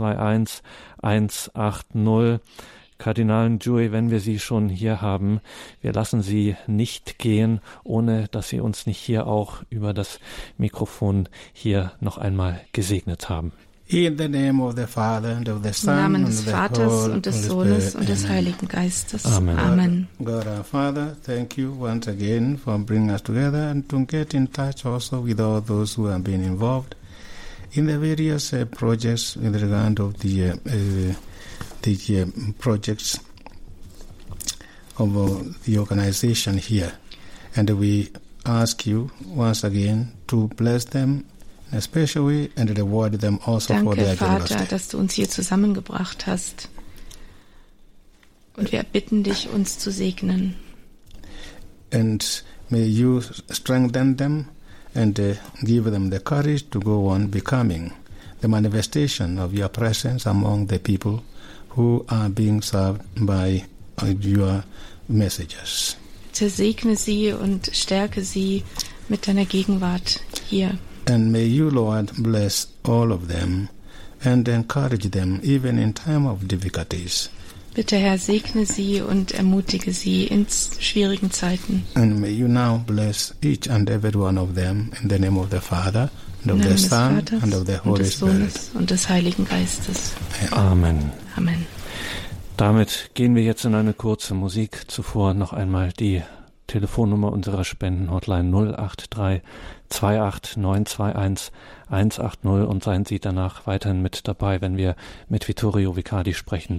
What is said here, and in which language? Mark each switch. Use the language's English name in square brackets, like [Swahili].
[German] 08328921180. Kardinal Njue, wenn wir Sie schon hier haben, wir lassen Sie nicht gehen, ohne dass Sie uns nicht hier auch über das Mikrofon hier noch einmal gesegnet haben. [English] In the name of the Father and of the Son, [German] im Namen des Vaters und des Sohnes und des Heiligen Geistes. Amen. [English] God our Father, thank you once again for bringing us together and to get in touch also with all those who have been involved in the various projects in regard of the projects of the organization here. And we ask you once again to bless them in a special way and reward them also [German] Danke, [English] for their [German] Vater, [English] generosity. [German] Danke, Vater, dass du uns hier zusammengebracht hast. Und wir bitten dich, uns zu segnen. [English] And may you strengthen them and give them the courage to go on becoming the manifestation of your presence among the people who are being served by your messages. [German] Zersegne sie und stärke sie mit deiner Gegenwart hier. [English] And may you, Lord, bless all of them and encourage them even in time of difficulties. [German] Bitte, Herr, segne sie und ermutige sie in schwierigen Zeiten. [English] And may you now bless each and every one of them in the name of the Father and of the Son and of the Holy Spirit. [German] Und des Heiligen Geistes. Amen. Amen. Damit gehen wir jetzt in eine kurze Musik. Zuvor noch einmal die Telefonnummer unserer Spendenhotline 08328921180 und seien Sie danach weiterhin mit dabei, wenn wir mit Vittorio Vicardi sprechen.